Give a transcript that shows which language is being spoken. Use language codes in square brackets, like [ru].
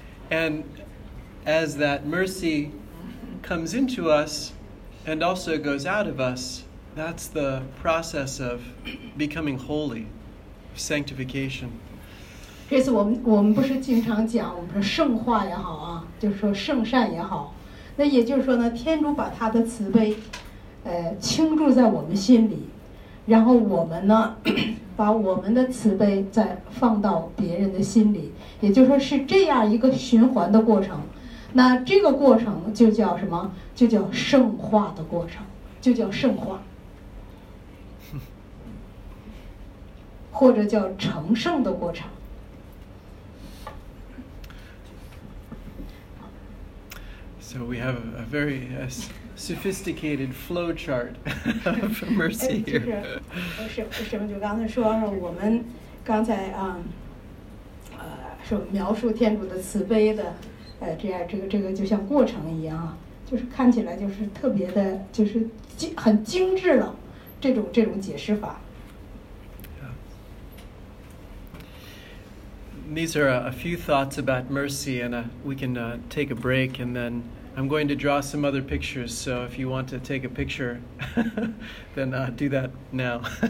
[en] And as that mercy comes into us and also goes out of us, that's the process of becoming holy, sanctification. [zh] 这次我们不是经常讲，我们说圣化也好啊，就是说圣善也好，那也就是说呢，天主把他的慈悲，倾注在我们心里，然后我们呢。把我们的慈悲再放到别人的心里，也就是说是这样一个循环的过程。那这个过程就叫什么？就叫圣化的过程，就叫圣化，或者叫成圣的过程。 [en] So we have a very sophisticated flow chart for mercy here. [zh] 就刚才说我们刚才说描述天主的慈悲的这样这个就像过程一样啊，就是看起来就是特别的就是很精致了这种解释法。 [en] These are a few thoughts about mercy, and we can take a break, and then I'm going to draw some other pictures, so if you want to take a picture, then do that now.